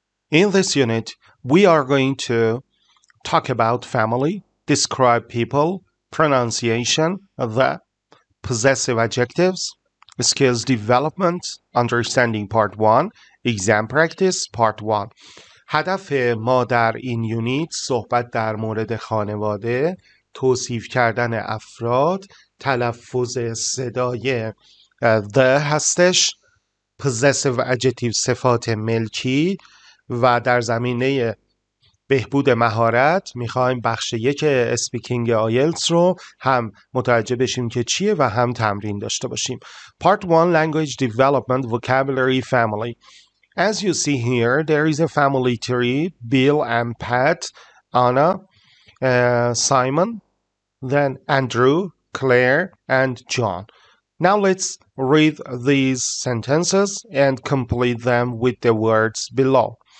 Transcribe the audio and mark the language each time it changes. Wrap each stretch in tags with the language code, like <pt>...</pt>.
<en>In this unit, we are going to talk about family, describe people, pronunciation, the possessive adjectives, skills development, understanding part 1, exam practice part 1.</en> <fa>هدف ما در این یونیت صحبت در مورد خانواده، توصیف کردن افراد، تلفظ صدای the هستش، possessive adjective صفات ملکی، و در زمینه بهبود مهارت میخوایم بخش 1 اسپیکینگ آیلتس رو هم متوجه بشیم که چیه و هم تمرین داشته باشیم.</fa> <en>Part 1, Language Development, Vocabulary, Family. As you see here, there is a family tree, Bill and Pat, Anna, Simon, then Andrew, Claire and John. Now let's read these sentences and complete them with the words below.</en>